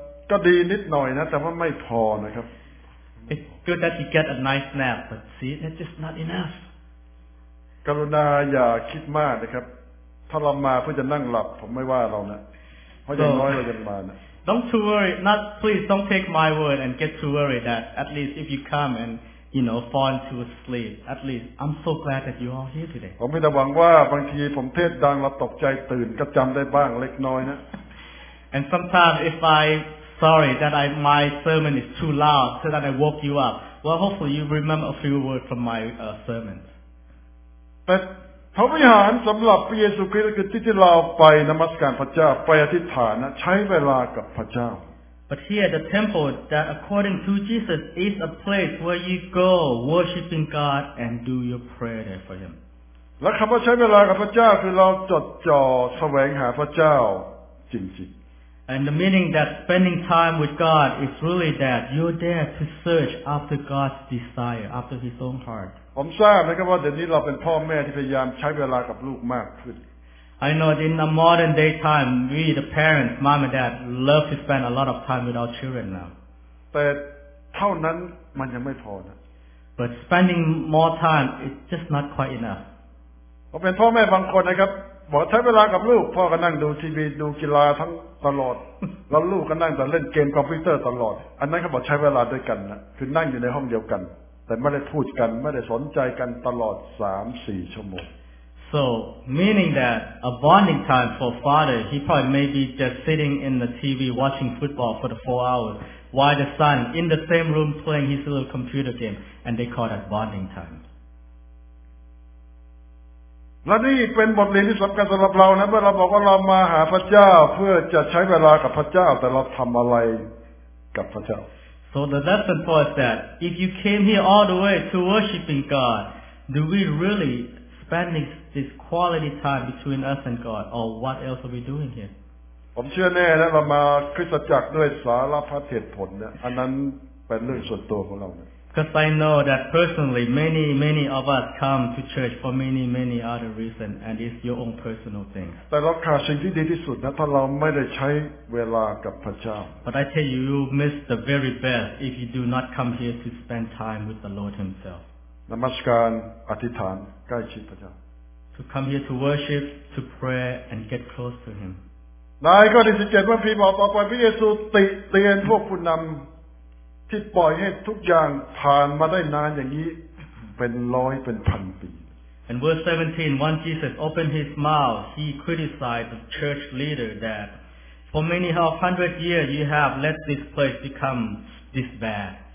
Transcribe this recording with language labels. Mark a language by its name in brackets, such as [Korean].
[Thai] ก็ดีนิดหน่อยนะแต่ว่าไม่พอนะครับ [English] It's good that he get a nice nap but see that's just not enough [Thai] กรุณาอย่าคิดมากนะครับถ้าเรามาเพื่อจะนั่งหลับผมไม่ว่าเรานะเพราะอย่างน้อยเราจะมานะ [English] Don't too worry, please don't take my word and get too worried that at least if you come and, you know, fall into a sleep, at least I'm so glad that you're all here today. [Thai] ผมมีแต่หวังว่าบางทีผมเทศดังแล้วตกใจตื่นก็จำได้บ้างเล็กน้อยนะ [English] And sometimes if I'm sorry that my sermon is too loud so that I woke you up, well hopefully you remember a few words from my sermon. But [Thai] พระวิหารสำหรับพระเยซูคริสต์คือที่ที่เราไปนมัสการพระเจ้าไปอธิษฐานใช้เวลากับพระเจ้า [English] But here the temple that according to Jesus is a place where you go worshiping God and do your prayer there for Him [Thai] และคำว่าใช้เวลากับพระเจ้าคือเราจดจ่อแสวงหาพระเจ้าจริง [English] ๆ And the meaning that spending time with God is really that you're there to search after God's desire after His own heart [Thai] ผมทราบนะครับว่าเดี๋ยวนี้เราเป็นพ่อแม่ที่พยายามใช้เวลากับลูกมากขึ้น [English] I know in the modern day time we the parents mom and dad love to spend a lot of time with our children now [Thai] แต่เท่านั้นมันยังไม่พอนะ [English] But spending more time is just not quite enough [Thai] ผมเป็นพ่อแม่บางคนนะครับบอกใช้เวลากับลูกพ่อก็นั่งดูทีวีดูกีฬาทั้งตลอดแล้วลูกก็นั่งแต่เล่นเกมคอมพิวเตอร์ตลอดอันนั้นเขาบอกใช้เวลาด้วยกันนะคือนั่งอยู่ในห้องเดียวกันแต่ไม่ได้พูดกันไม่ได้สนใจกันตลอด 3-4 ชั่วโมง [English] So meaning that a bonding time for father he probably maybe just sitting in the TV watching football for the 4 hours while the son in the same room playing his little computer game and they call that bonding time [Thai] และนี่เป็นบทเรียนที่สำคัญสำหรับเรานะเมื่อเราบอกว่าเรามาหาพระเจ้าเพื่อจะใช้เวลากับพระเจ้าแต่เราทำอะไรกับพระเจ้า [English] So the lesson for us that if you came here all the way to worshiping God, do we really spend this quality time between us and God, or what else are we doing here? [Thai] ผมเชื่อแน่นะเรามาคริสตจักรด้วยสารพัดเหตุผลนะอันนั้นเป็นเรื่องส่วนตัวของเรา [English] Because I know that personally, many many of us come to church for many many other reasons, and it's your own personal thing. [Thai] แต่เราขาดสิ่งที่ดีที่สุดนะถ้าเราไม่ได้ใช้เวลากับพระเจ้า [English] But I tell you, you miss the very best if you do not come here to spend time with the Lord Himself. [Thai] นมัสการอธิษฐานใกล้ชิดพระเจ้า [English] To come here to worship, to pray, and get close to Him. [Thai] ในข้อที่17พระคัมภีร์บอกต่อไปพระเยซูติเตียนพวกผู้นำที่ปล่อยให้ทุกอย่างผ่านมาได้นานอย่างนี้เป็นร้อยเป็นพันปี [English] And verse 17 when Jesus opened his mouth he criticized the church leader that for many half hundred years you have let this place become this bad